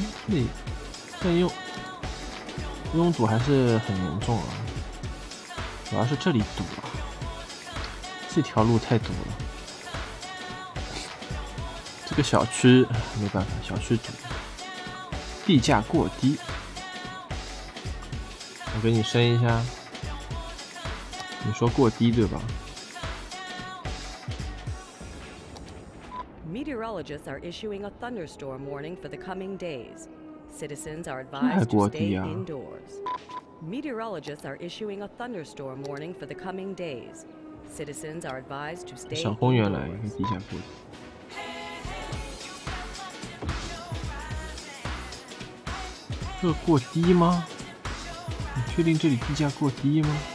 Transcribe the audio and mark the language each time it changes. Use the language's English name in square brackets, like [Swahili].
[Chinese] 那现在拥堵还是很严重啊，主要是这里堵了，这条路太堵了，这个小区没办法，小区堵，地价过低。我给你升一下，你说过低对吧？ [English] Meteorologists are issuing a thunderstorm warning for the coming days. Citizens are advised to stay indoors. Meteorologists are issuing a thunderstorm warning for the coming days. Citizens are advised to stay indoors. [Chinese] 小公园来，地下过低。这过低吗？你确定这里地价过低吗？